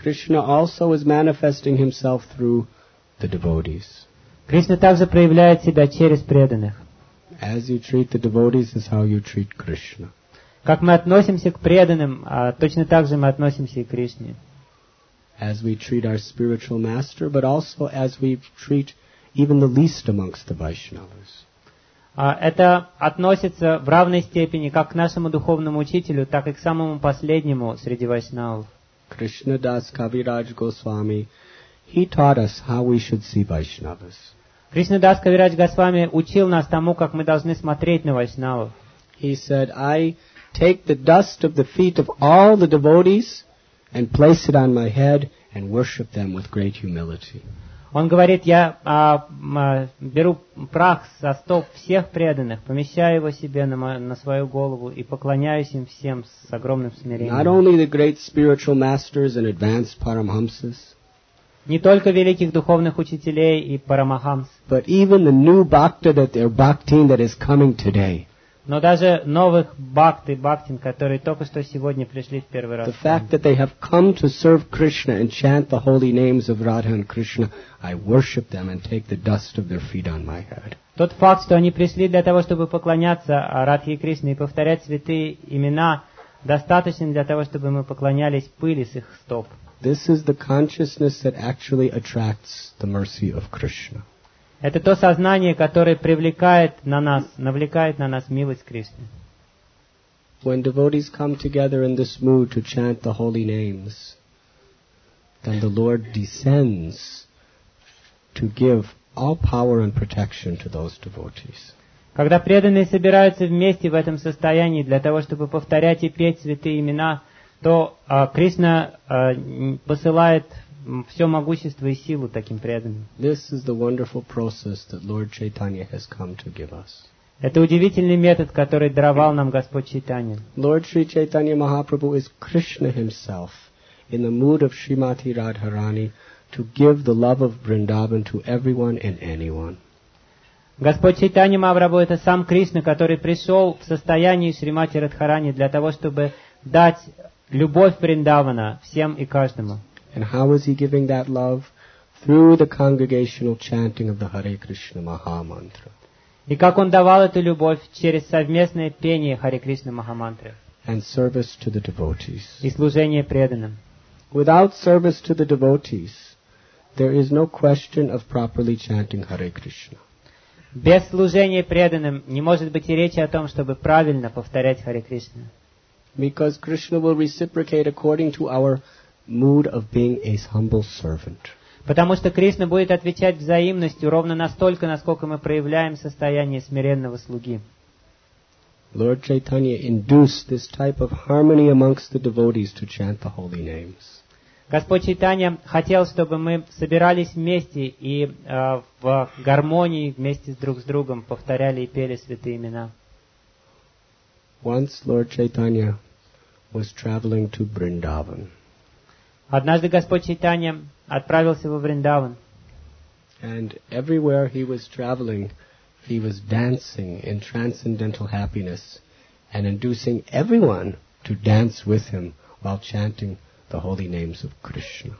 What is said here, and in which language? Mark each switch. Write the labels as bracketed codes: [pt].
[en] Krishna also is manifesting himself through the devotees. [ru] Кришна также проявляет себя через преданных. [en] As you treat the devotees is how you treat Krishna. [ru] Как мы относимся к преданным, точно так же мы относимся и к Кришне. [en] As we treat our spiritual master, but also as we treat even the least amongst the Vaishnavas. [ru] Это относится в равной степени как к нашему духовному учителю, так и к самому последнему среди вайшнавов. [en] Krishna Das Kaviraj Goswami, he taught us how we should see Vaishnavas. [ru] Krishna Das Kaviraj Goswami учил нас тому, как мы должны смотреть на вайшнавов. [en] He said, I take the dust of the feet of all the devotees and place it on my head and worship them with great humility. [ru] Он говорит, я беру прах со стоп всех преданных, помещаю его себе на свою голову и поклоняюсь им всем с огромным смирением. [en] Not only the great spiritual masters and advanced paramahamsas, [ru] не только великих духовных учителей и парамахамс, [en] but even the new bhakta that their bhaktin that is coming today. [ru] Но даже новых бхакт и бхактин, которые только что сегодня пришли в первый раз. [en] The fact that they have come to serve Krishna and chant the holy names of Radha and Krishna, I worship them and take the dust of their feet on my head. [ru] Тот факт, что они пришли для того, чтобы поклоняться Радхе и Кришне и повторять святые имена, достаточен для того, чтобы мы поклонялись пыли с их стоп. [en] This is the consciousness that actually attracts the mercy of Krishna. [ru] Это то сознание, которое привлекает на нас, навлекает на нас милость Кришны. [en] When devotees come together in this mood to chant the holy names, then the Lord descends to give all power and protection to those devotees. [ru] Когда преданные собираются вместе в этом состоянии для того, чтобы повторять и петь святые имена, то Кришна посылает все могущество и силу таким преданным. [en] This is the wonderful process that Lord Chaitanya has come to give us. [ru] Это удивительный метод, который даровал нам Господь Чайтанья. [en] Lord Sri Chaitanya Mahaprabhu is Krishna himself in the mood of Srimati Radharani to give the love of Vrindavan to everyone and anyone. [ru] Господь Чайтанья Махапрабху это сам Кришна, который пришел в состоянии Шримати Радхарани для того, чтобы дать любовь Вриндавана всем и каждому. [en] And how is he giving that love? Through the congregational chanting of the Hare Krishna Maha Mantra. [ru] И как он давал эту любовь через совместное пение Hare Krishna Maha Mantra. [en] And service to the devotees. [ru] И служение преданным. [en] Without service to the devotees, there is no question of properly chanting Hare Krishna. [ru] Без служения преданным не может быть и речи о том, чтобы правильно повторять Hare Krishna. [en] Because Krishna will reciprocate according to our mood of being a humble servant. [ru] Потому что Кришна будет отвечать взаимностью ровно настолько, насколько мы проявляем состояние смиренного слуги. [en] Lord Chaitanya induced this type of harmony amongst the devotees to chant the holy names. [ru] Господь Чайтанья хотел, чтобы мы собирались вместе и в гармонии вместе друг с другом повторяли и пели святые имена. [en] Once Lord Chaitanya was traveling to Vrindavan. [ru] Однажды Господь Чайтанья отправился во Вриндаван. [en] And everywhere he was traveling, he was dancing in transcendental happiness and inducing everyone to dance with him while chanting the holy names of Krishna.